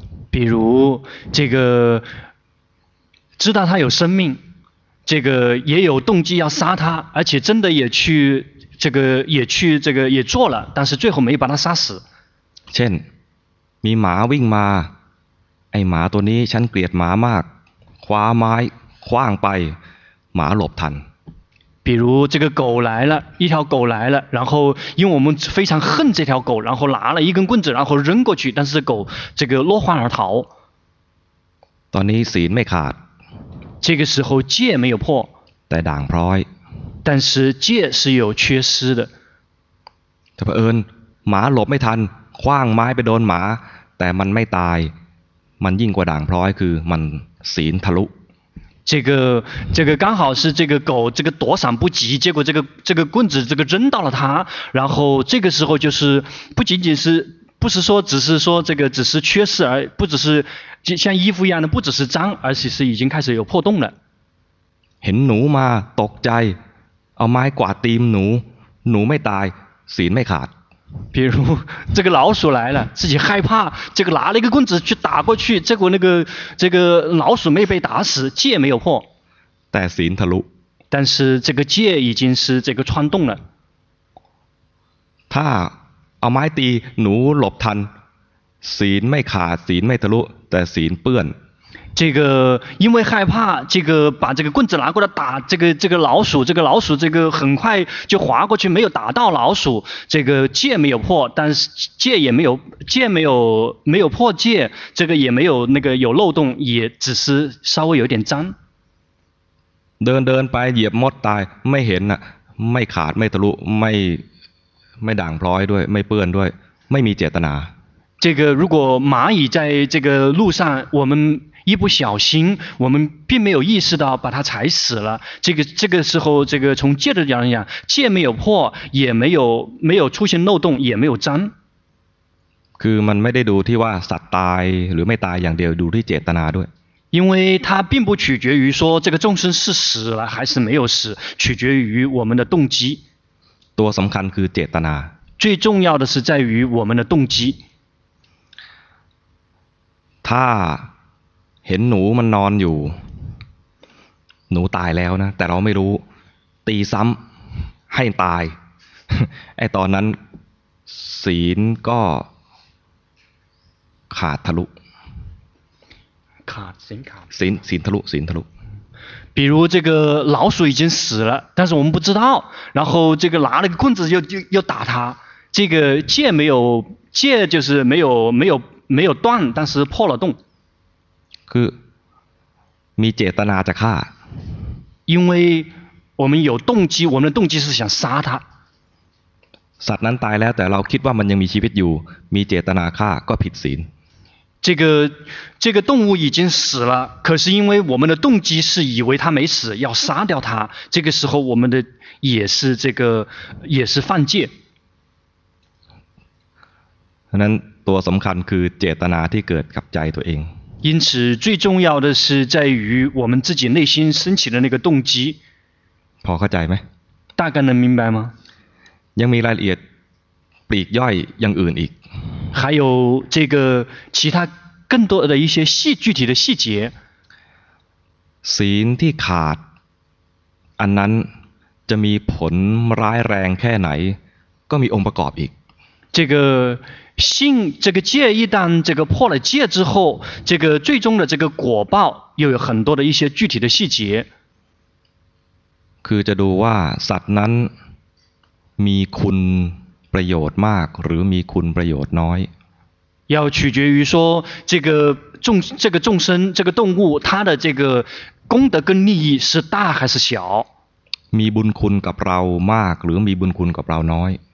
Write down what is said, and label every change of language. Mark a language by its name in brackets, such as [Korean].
[Chinese] 比如这个知道它有生命这个也有动机要杀他而且真的也去这个也做了但是最后没有把他杀死 [Thai] เช่นมีหมาวิ่งมาไอ้หมาตัวนี้ฉันเกลียดหมามากคว้าไม้คว้างไปหมาหลบทัน [Chinese] 比如这个狗来了一条狗来了然后因为我们非常恨这条狗然后拿了一根棍子然后扔过去但是狗这个落荒而逃 [Thai] ตอนนี้ศีลไม่ขาด [Chinese] 这个时候戒没有破 [Thai] แต่ด่างพร้อย [Chinese] 但是戒是有缺失的 [Thai] แต่เผอิญหมาหลบไม่ทันคว้างไม้ไปโดนหมาแต่มันไม่ตายมันยิ่งกว่าด่างพร้อยคือมันศีลทะลุ [Chinese] 这个刚好是这个狗这个躲闪不及，结果这个棍子这个扔到了它，然后这个时候就是不仅仅是不是说只是说这个只是缺失，而不只是像衣服一样的不只是脏，而且是已经开始有破洞了。 [Thai] เห็นหนูมาตกใจเอาไม้กวาดตีมหนูหนูไม่ตายศีลไม่ขาด [Chinese] 比如这个老鼠来了，自己害怕，这个拿了一个棍子去打过去，结果这个老鼠没被打死，戒没有破。但是引他路。但是这个戒已经是这个穿洞了。 [Thai] 他ไม้ตีหนูหลบทันศีลไม่ขาดศีลไม่ทะลุแต่ศีลเปื้อน [Chinese] 这个因为害怕，这个把这个棍子拿过来打这个老鼠，这个老鼠这个很快就滑过去，没有打到老鼠，这个戒没有破，但是戒也没有破戒，这个也没有那个有漏洞，也只是稍微有点脏。 [Thai] เดินเดินไปเหยียบมดตายไม่เห็นน่ะไม่ขาดไม่ทะลุไม่ด่างพร้อยด้วยไม่เปื้อนด้วยไม่มีเจตนา [Chinese] 这个如果蚂蚁在这个路上，我们一不小心，我们并没有意识到把它踩死了。这个时候，这个从戒的角度讲，戒没有破，也没有出现漏洞，也没有脏。 [Thai] คือมันไม่ได้ดูที่ว่าสัตว์ตายหรือไม่ตายอย่างเดียวดูที่เจตนาด้วย [Chinese] 因为它并不取决于说这个众生是死了还是没有死，取决于我们的动机。 [Thai] ตัวสำคัญคือเจตนา [Chinese] 最重要的是在于我们的动机。 [Thai] ถ้าเห็นหนูมันนอนอยู่หนูตายแล้วนะแต่เราไม่รู้ตีซ้ำให้ตายไอ้ตอนนั้นศีลก็ขาดทะลุ ขาดศีลขาด ศีลทะลุศีลทะลุ [Chinese] 比如这个老鼠已经死了但是我们不知道然后这个拿了个棍子又打他这个戒没有戒就是没有断但是破了洞 [Thai] คือมีเจตนาจะฆ่า [Chinese] 因为我们有动机我们的动机是想杀他 [Thai] สัตว์นั้นตายแล้วแต่เราคิดว่ามันยังมีชีวิตอยู่มีเจตนาฆ่าก็ผิดศีล [Chinese] 这个动物已经死了可是因为我们的动机是以为他没死要杀掉他这个时候我们的也是这个也是犯戒 [Thai] นั้นตัวสำคัญคือเจตนาที่เกิดกับใจตัวเอง [Chinese] 因此最重要的是在于我们自己内心升起的那个动机 [Thai] พอเข้าใจไหม [Chinese] 大概能明白吗 [Thai] ยังมีรายละเอียดปลีกย่อยอย่างอื่นอีก [Chinese] 还有这个其他更多的一些细具体的细节 [Thai] ศีลที่ขาดอันนั้นจะมีผลร้ายแรงแค่ไหนก็มีองค์ประกอบอีก [Chinese] 这个信这个戒一旦这个破了戒之后这个最终的这个果报又有很多的一些具体的细节 [Thai] คือจะดูว่าสัตว์นั้นมีคุณประโยชน์มากหรือมีคุณประโยชน์น้อย [Chinese] 要取决于说这个众生这个动物它的这个功德跟利益是大还是小 [Thai] มีบุญคุณกับเรามากหรือมีบุญคุณกับเราน้อย